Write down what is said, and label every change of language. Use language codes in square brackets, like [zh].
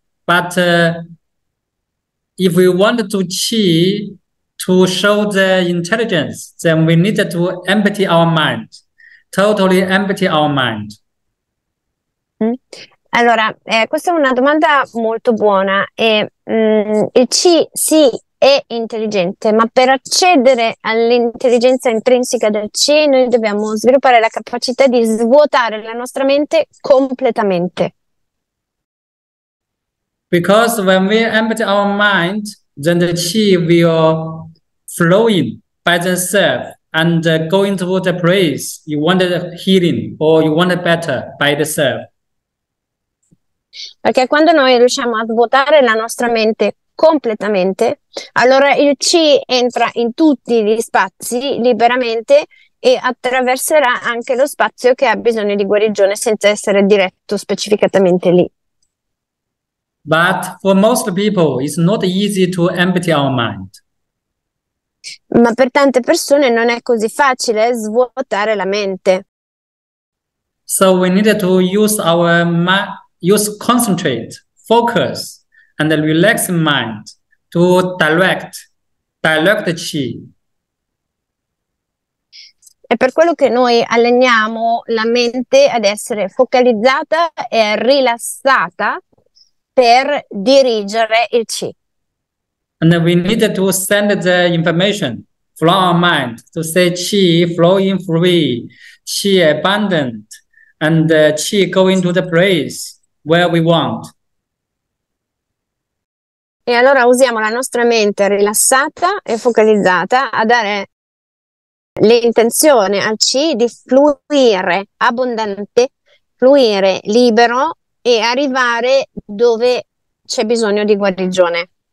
[en] But if we want to chi to show the intelligence, then we need to empty our mind, totally empty our mind. [it] Allora, questa è una domanda molto buona. Il C sì, è intelligente, ma per accedere all'intelligenza intrinseca del C, noi dobbiamo sviluppare la capacità di svuotare la nostra mente completamente. [en] Because when we empty our mind, then the chi will flow in by itself and go into the place you want healing or you want better by itself. [it] Perché quando noi riusciamo a svuotare la nostra mente completamente, allora il chi entra in tutti gli spazi liberamente e attraverserà anche lo spazio che ha bisogno di guarigione senza essere diretto specificatamente lì. [en] But for most people, it's not easy to empty our mind. [it] Ma per tante persone non è così facile svuotare la mente. [en] So we need to use our use concentrate, focus, and relax mind to direct the chi. [it] È per quello che noi alleniamo la mente ad essere focalizzata e rilassata per dirigere il chi. [en] And we need to send the information from our mind to say chi flowing free, chi abundant, and chi going to the place where we want. [it] E allora usiamo la nostra mente rilassata e focalizzata a dare l'intenzione al C di fluire abbondante, fluire libero e arrivare dove c'è bisogno di guarigione.